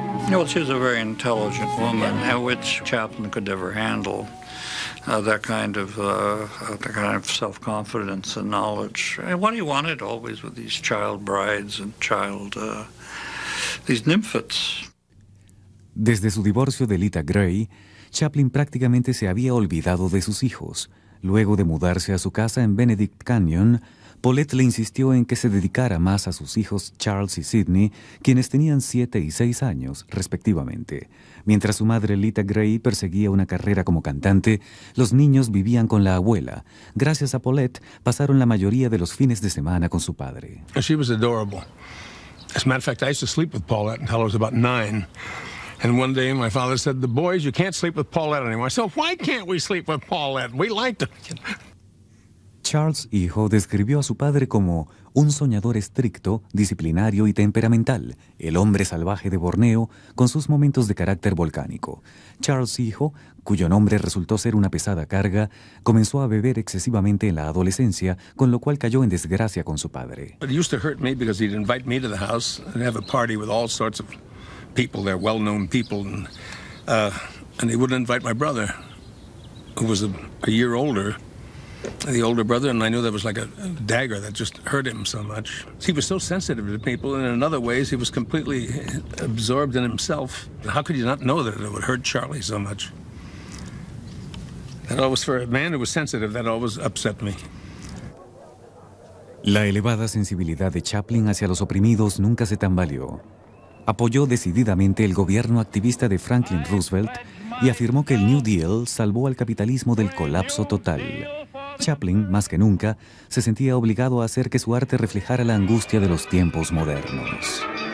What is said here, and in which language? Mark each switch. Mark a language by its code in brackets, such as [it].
[en] Well, she was a very intelligent woman, which Chaplin could never handle. That kind of self-confidence and knowledge. And what he wanted always with these child brides and child, these nymphets. [es] Desde su divorcio de Lita Gray, Chaplin prácticamente se había olvidado de sus hijos. Luego de mudarse a su casa en Benedict Canyon, Paulette le insistió en que se dedicara más a sus hijos Charles y Sidney, quienes tenían 7 y 6 años, respectivamente. Mientras su madre Lita Gray perseguía una carrera como cantante, los niños vivían con la abuela. Gracias a Paulette, pasaron la mayoría de los fines de semana con su padre. [en] She was adorable. As a matter of fact, I used to sleep with Paulette until I was about 9. And one day my father said, "The boys, you can't sleep with Paulette anymore." So why can't we sleep with Paulette? We liked her. [es] Charles, hijo, describió a su padre como un soñador estricto, disciplinario y temperamental, el hombre salvaje de Borneo, con sus momentos de carácter volcánico. Charles, hijo, cuyo nombre resultó ser una pesada carga, comenzó a beber excesivamente en la adolescencia, con lo cual cayó en desgracia con su padre. [en] It used to hurt me because he'd invite me to the house and have a party with all sorts of people, they're well-known people, and he wouldn't invite my brother, who was a year older. The older brother, and I knew that was like a dagger that just hurt him so much. He was so sensitive to people, and in other ways, he was completely absorbed in himself. How could you not know that it would hurt Charlie so much? That always, for a man who was sensitive, that always upset me. [es] La elevada sensibilidad de Chaplin hacia los oprimidos nunca se tambaleó. Apoyó decididamente el gobierno activista de Franklin Roosevelt y afirmó que el New Deal salvó al capitalismo del colapso total. Chaplin, más que nunca, se sentía obligado a hacer que su arte reflejara la angustia de los tiempos modernos.